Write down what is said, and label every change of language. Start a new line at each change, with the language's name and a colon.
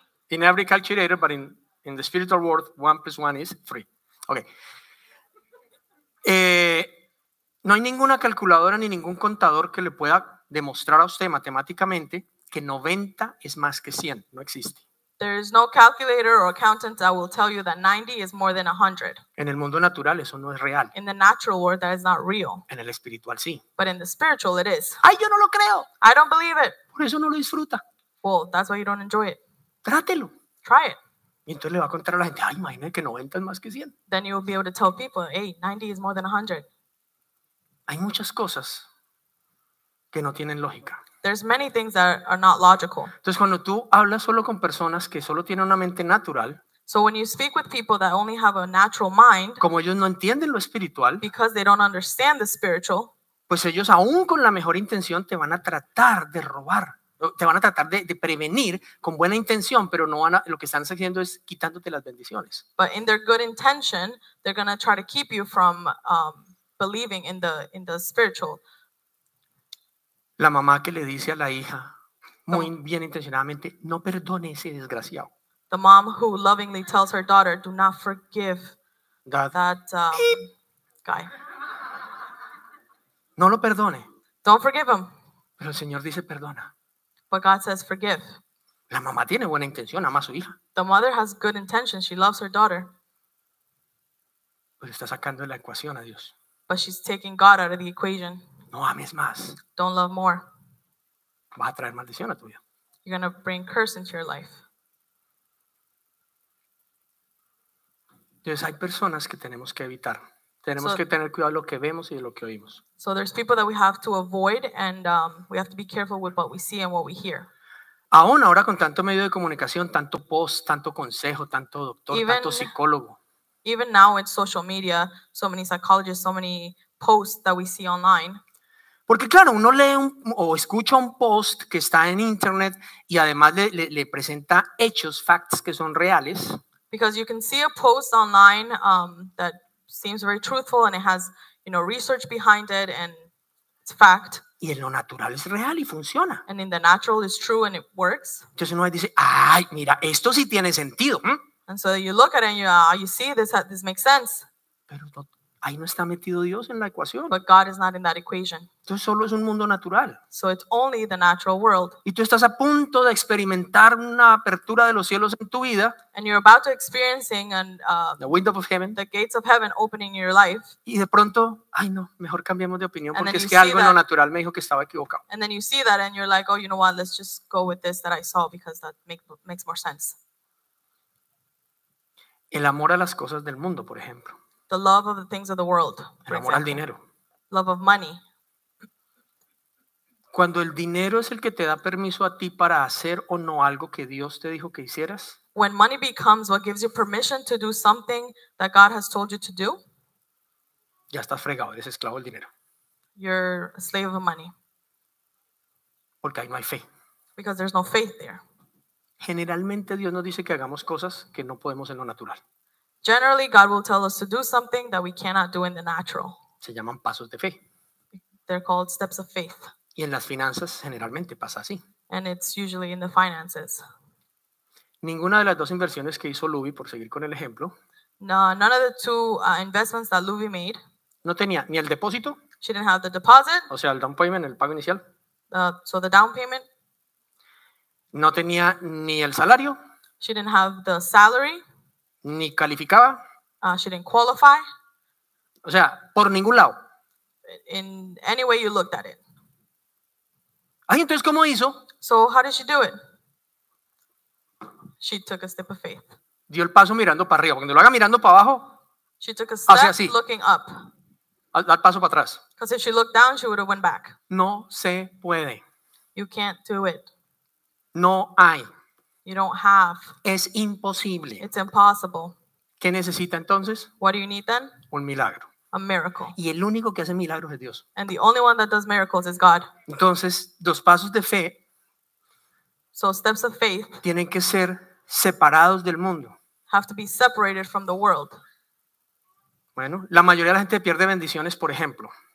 English: In every calculator, but in the spiritual world, 1 plus 1 is 3. Ok.
Spanish: No hay ninguna calculadora ni ningún contador que le pueda demostrar a usted matemáticamente que 90 es más que 100. No existe.
English: There is no calculator or accountant that will tell you that 90 is more than 100.
Spanish: En el mundo natural eso no es real.
English: In the natural world that is not real.
Spanish: En el espiritual sí.
English: But in the spiritual it is.
Spanish: ¡Ay, yo no lo creo!
English: I don't believe it.
Spanish: Por eso no lo disfruta.
English: Well, that's why you don't enjoy it.
Spanish: Trátelo.
English: Try it.
Spanish: Y entonces le va a contar a la gente, ¡ay, imagínate que 90 es más que 100!
English: Then you will be able to tell people, hey, 90 is more than 100.
Spanish: Hay muchas cosas que no tienen lógica.
English: There's many things that are not logical.
Spanish: Entonces, cuando tú hablas solo con personas que solo tienen una mente natural,
English: so when you speak with people that only have a natural mind,
Spanish: como ellos no entienden lo espiritual,
English: because they don't understand the spiritual,
Spanish: pues ellos aún con la mejor intención te van a tratar de robar, te van a tratar de prevenir con buena intención, pero no van a, lo que están haciendo es quitándote las bendiciones.
English: But in their good intention, they're going to try to keep you from believing in the spiritual.
Spanish: La mamá que le dice a la hija, muy bien intencionadamente, no perdone ese desgraciado.
English: The mom who lovingly tells her daughter, do not forgive that guy.
Spanish: No lo perdone.
English: Don't forgive him.
Spanish: Pero el Señor dice, perdona.
English: But God says, forgive.
Spanish: La mamá tiene buena intención, ama a su hija.
English: The mother has good intentions, she loves her daughter.
Spanish: Pero está sacando la ecuación a Dios.
English: But she's taking God out of the equation.
Spanish: No ames más.
English: Don't love more.
Spanish: Vas a traer maldición a tu vida.
English: You're going to bring curse into your life.
Spanish: Entonces hay personas que tenemos que evitar. Tenemos que tener cuidado de lo que vemos y de lo que oímos.
English: So there's people that we have to avoid and we have to be careful with what we see and what we hear.
Spanish: Aún ahora con tanto medio de comunicación, tanto post, tanto consejo, tanto doctor, tanto psicólogo.
English: Even now in social media, so many psychologists, so many posts that we see online.
Spanish: Porque claro, uno lee o escucha un post que está en internet y además le presenta hechos, facts que son reales.
English: Because you can see a post online that seems very truthful and it has, you know, research behind it and it's fact.
Spanish: Y en lo natural es real y funciona.
English: And in the natural it's true and it works.
Spanish: Entonces uno dice, ay, mira, esto sí tiene sentido.
English: And so you look at it and you see this makes sense.
Spanish: Pero no, ahí no está metido Dios en la ecuación.
English: But God is not in that equation.
Spanish: Entonces solo es un mundo natural.
English: So it's only the natural world.
Spanish: Y tú estás a punto de experimentar una apertura de los cielos en tu vida.
English: And you're about to experiencing the window of heaven. The gates of heaven opening in your life.
Spanish: Y de pronto, ay no, mejor cambiemos de opinión porque es que algo en lo natural me dijo que estaba equivocado.
English: And then you see that and you're like, oh, you know what, let's just go with this that I saw because that makes more sense.
Spanish: El amor a las cosas del mundo, por ejemplo.
English: The love of the things of the world.
Spanish: El amor al dinero.
English: Love of money.
Spanish: Cuando el dinero es el que te da permiso a ti para hacer o no algo que Dios te dijo que hicieras.
English: When money becomes what gives you permission to do something that God has told you to do.
Spanish: Ya estás fregado, eres esclavo del dinero.
English: You're a slave of money.
Spanish: Porque ahí no hay fe.
English: Because there's no faith there.
Spanish: Generalmente Dios nos dice que hagamos cosas que no podemos en lo natural.
English: Generally, God will tell us to do something that we cannot do in the natural.
Spanish: Se llaman pasos de fe.
English: They're called steps of faith.
Spanish: Y en las finanzas generalmente pasa así.
English: And it's usually in the finances.
Spanish: Ninguna de las dos inversiones que hizo Luby, por seguir con el ejemplo.
English: No, none of the two investments that Luby made.
Spanish: No tenía ni el depósito.
English: She didn't have the deposit.
Spanish: O sea, el down payment, el pago inicial.
English: So the down payment.
Spanish: No tenía ni el salario.
English: She didn't have the salary.
Spanish: Ni calificaba.
English: She didn't qualify.
Spanish: O sea, por ningún lado.
English: In any way you looked at it.
Spanish: Ay, entonces, ¿cómo hizo?
English: So how did she do it? She took a step of faith.
Spanish: Dio el paso mirando para arriba. Cuando lo haga mirando para abajo.
English: She took a step looking up.
Spanish: Al paso para atrás.
English: Because if she looked down, she would have went back.
Spanish: No se puede.
English: You can't do it.
Spanish: No hay.
English: You don't have.
Spanish: Es imposible.
English: It's impossible.
Spanish: ¿Qué necesita entonces?
English: What do you need then?
Spanish: Un milagro.
English: A miracle.
Spanish: Y el único que hace milagros es Dios.
English: And the only one that does miracles is God.
Spanish: Entonces, dos pasos de fe.
English: So steps of faith.
Spanish: Tienen que ser separados del mundo.
English: Have to be separated from the world.
Spanish: Bueno, la mayoría de la gente pierde bendiciones, por ejemplo.